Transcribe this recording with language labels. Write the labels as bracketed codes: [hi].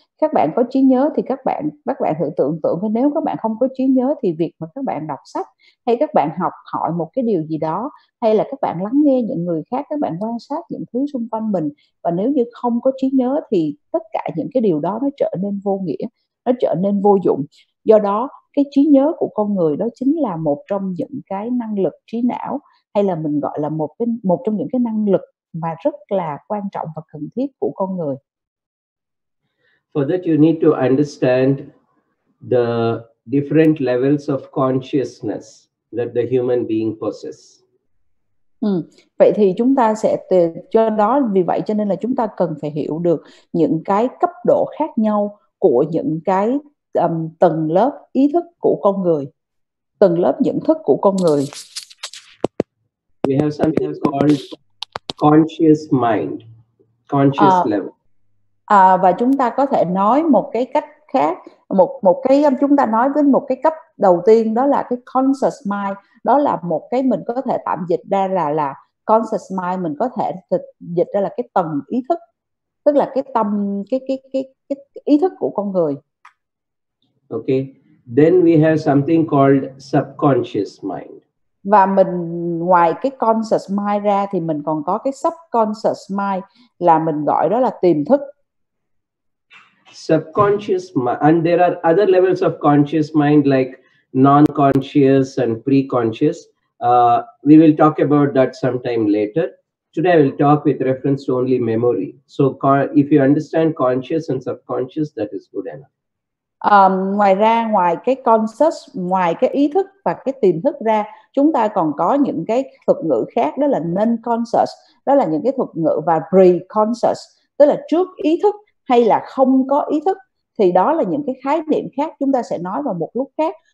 [vi] Các bạn có trí nhớ thì các bạn thử tưởng tượng, nếu các bạn không có trí nhớ thì việc mà các bạn đọc sách hay các bạn học hỏi một cái điều gì đó, hay là các bạn lắng nghe những người khác, các bạn quan sát những thứ xung quanh mình, và nếu như không có trí nhớ thì tất cả những cái điều đó nó trở nên vô nghĩa, nó trở nên vô dụng. Do đó, cái trí nhớ của con người đó chính là một trong những cái năng lực trí não, hay là mình gọi là một trong những cái năng lực mà rất là quan trọng và cần thiết của con người. [en] For that you need to understand the different levels of consciousness that the human being possesses. [vi] Vậy thì chúng ta sẽ cho đó vì vậy cho nên là chúng ta cần phải hiểu được những cái cấp độ khác nhau của những cái tầng lớp ý thức của con người, tầng lớp nhận thức của con người. [en] We have something called conscious mind, conscious level. [vi] Và chúng ta có thể nói một cái cách khác, một cái chúng ta nói với một cái cấp đầu tiên đó là cái conscious mind, đó là một cái mình có thể tạm dịch ra là conscious mind, mình có thể dịch ra là cái tầng ý thức, tức là cái tâm, cái ý thức của con người. [en] Okay, then we have something called subconscious mind. [vi] Và mình ngoài cái conscious mind ra thì mình còn có cái subconscious mind, là mình gọi đó là tiềm thức. [en] Subconscious mind, and there are other levels of conscious mind like non-conscious and pre-conscious. We will talk about that sometime later. Today I will talk with reference to only memory. So if you understand conscious and subconscious, that is good enough. [vi] Ngoài ra, ngoài cái conscious, ngoài cái ý thức và cái tiềm thức ra, chúng ta còn có những cái thuật ngữ khác, đó là non-conscious, đó là những cái thuật ngữ, và pre-conscious, tức là trước ý thức hay là không có ý thức, thì đó là những cái khái niệm khác chúng ta sẽ nói vào một lúc khác.